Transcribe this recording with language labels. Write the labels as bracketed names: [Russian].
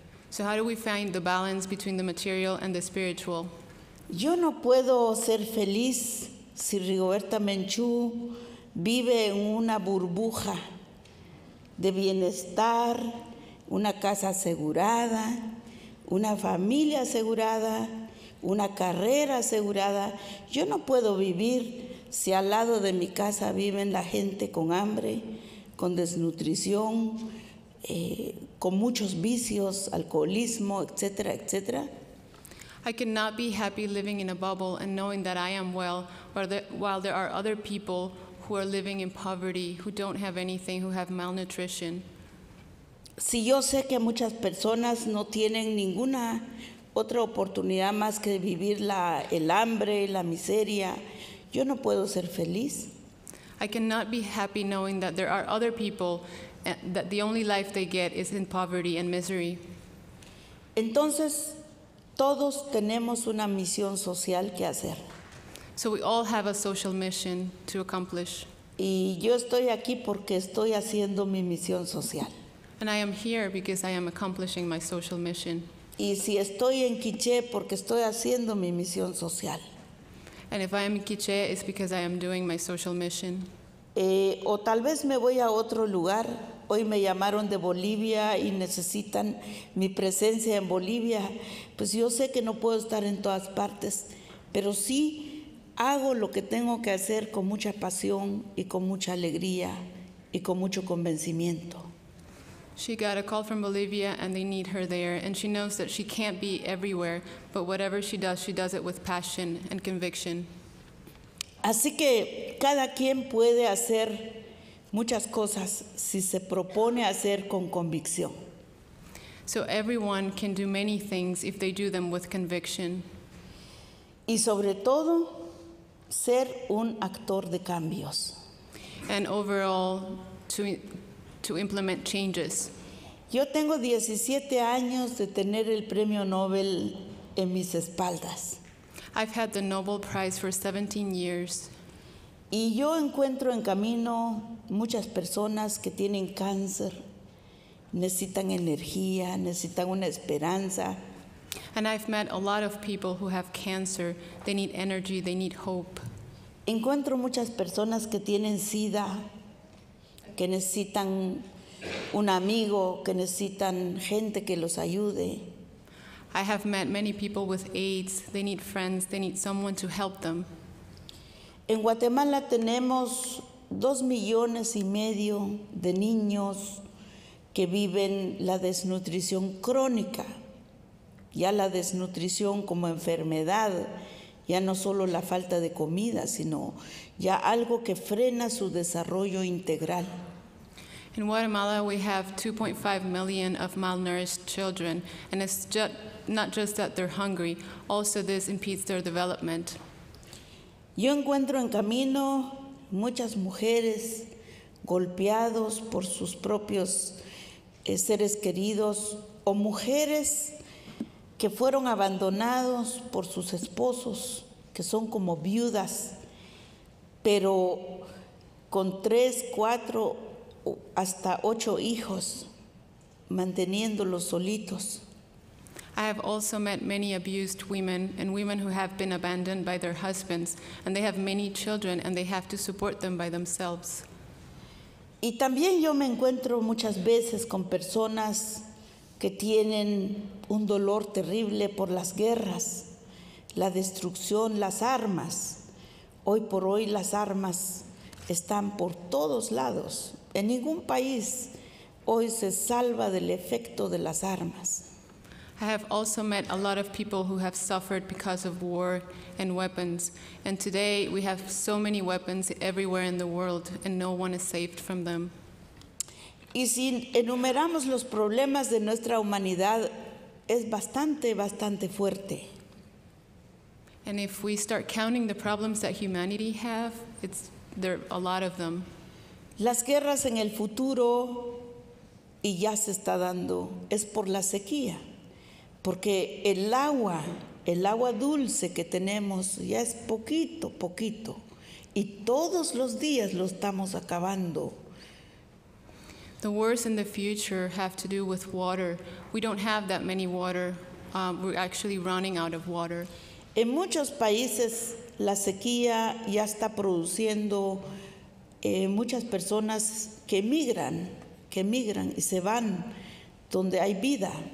[English] So how do we find the balance between the material and the spiritual? [Spanish] Yo no puedo ser feliz si Rigoberta Menchu vive en una burbuja de bienestar, una casa asegurada, una familia asegurada, una carrera asegurada. Yo no puedo vivir si al lado de mi casa viven la gente con hambre, con desnutrición, con muchos vicios, alcoholismo, etcétera, etcétera. [English] I cannot be happy living in a bubble and knowing that I am well, or that while there are other people who are living in poverty, who don't have anything, who have malnutrition. [Spanish] Si yo sé que muchas personas no tienen ninguna otra oportunidad más que vivir el hambre, la miseria, yo no puedo ser feliz. [English] I cannot be happy knowing that there are other people and that the only life they get is in poverty and misery. [Spanish] Entonces, todos tenemos una misión social que hacer. [English] So we all have a social mission to accomplish. [Spanish] Y yo estoy aquí porque estoy haciendo mi misión social. [English] And I am here because I am accomplishing my social mission. [Spanish] Y si estoy en Quiché porque estoy haciendo mi misión social. [English] And if I am in Quiché, it's because I am doing my social mission. [Spanish] O tal vez me voy a otro lugar. Hoy me llamaron de Bolivia y necesitan mi presencia en Bolivia. Pues yo sé que no puedo estar en todas partes, pero sí hago lo que tengo que hacer con mucha pasión y con mucha alegría y con mucho convencimiento. [English] She got a call from Bolivia and they need her there, and she knows that she can't be everywhere, but whatever she does it with passion and conviction. [Spanish] Así que cada quien puede hacer muchas cosas si se propone hacer con convicción. [English] So everyone can do many things if they do them with conviction. [Spanish] Y sobre todo, ser un actor de cambios. [English] And overall, to implement changes. [Spanish] Yo tengo 17 años de tener el premio Nobel en mis espaldas. [English] I've had the Nobel Prize for 17 years. [Spanish] Y yo encuentro en camino muchas personas que tienen cáncer, necesitan energía, necesitan una esperanza. [English] And I've met a lot of people who have cancer. They need energy, they need hope. [Spanish] Encuentro muchas personas que tienen SIDA, que necesitan un amigo, que necesitan gente que los ayude. [English] I have met many people with AIDS. They need friends, they need someone to help them. [Spanish] En Guatemala tenemos 2.5 millones de niños que viven la desnutrición crónica. Ya la desnutrición como enfermedad, ya no solo la falta de comida, sino ya algo que frena su desarrollo integral. [English] In Guatemala, we have 2.5 million of malnourished children, and it's not just that they're hungry, also this impedes their development. [Spanish] Yo encuentro en camino muchas mujeres golpeados por sus propios seres queridos, o mujeres que fueron abandonados por sus esposos, que son como viudas, pero con 3, 4, hasta 8 hijos, manteniéndolos solitos. [English] I have also met many abused women and women who have been abandoned by their husbands, and they have many children and they have to support them by themselves. [Spanish] Y también yo me encuentro muchas veces con personas que tienen un dolor terrible por las guerras, la destrucción, las armas, Hoy por hoy las armas están por todos lados. En ningún país hoy se salva del efecto de las armas. [English] I have also met a lot of people who have suffered because of war and weapons. And today we have so many weapons everywhere in the world and no one is saved from them. [Spanish] Y si enumeramos los problemas de nuestra humanidad, es bastante, bastante fuerte. [English] And if we start counting the problems that humanity have, there are a lot of them. [Spanish] Las guerras en el futuro, y ya se está dando, es por la sequía. Porque el agua dulce que tenemos, ya es poquito, poquito. Y todos los días lo estamos acabando. [English] The wars in the future have to do with water. We don't have that many water. We're actually running out of water. [Spanish] En muchos países, la sequía ya está produciendo muchas personas que migran y se van donde hay vida.